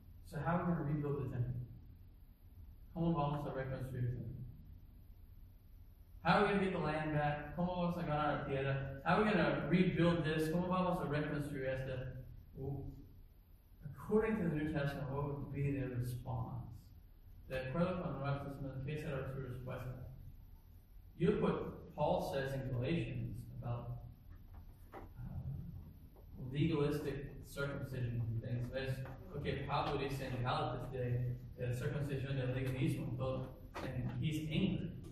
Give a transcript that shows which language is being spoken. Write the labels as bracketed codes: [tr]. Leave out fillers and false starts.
[en] So how are we going to rebuild the temple? [es] ¿Cómo vamos a reconstruir el templo? [en] How are we going to get the land back? [es] ¿Cómo vamos a ganar la tierra? [en] How are we going to rebuild this? [es] ¿Cómo vamos a reconstruir esto? [en] According to the New Testament, what would be the response? [es] De acuerdo con el Nuevo Testamento, ¿qué será tu respuesta? [en] You look what Paul says in Galatians about legalistic circumcision and things. There's okay, Pablo is saying Galatians today that circumcision and legalism, and he's angry.